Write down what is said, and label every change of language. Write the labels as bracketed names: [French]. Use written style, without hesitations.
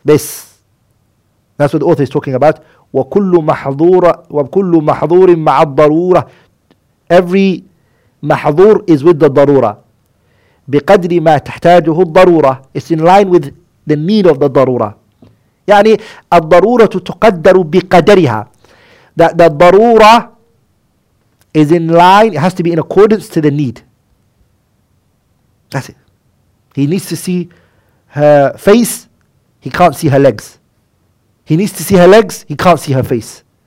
[English] This. That's what the author is talking about. [Arabic] وَكُلُّ مَحْضُورٍ مَعَ الضَّرُورَةِ. [English] Every mahdur is with the darura. [Arabic] بِقَدْرِ مَا تَحْتَاجُهُ الضَّرُورَةِ. [English] It's in line with the need of the darura. [Arabic] يعني الضَّرُورَةُ تُقَدَّرُ بِقَدَرِهَا. [English] That the darura is in line, it has to be in accordance to the need. That's it. He needs to see her face. He can't see her legs. He needs to see her legs. He can't see her face.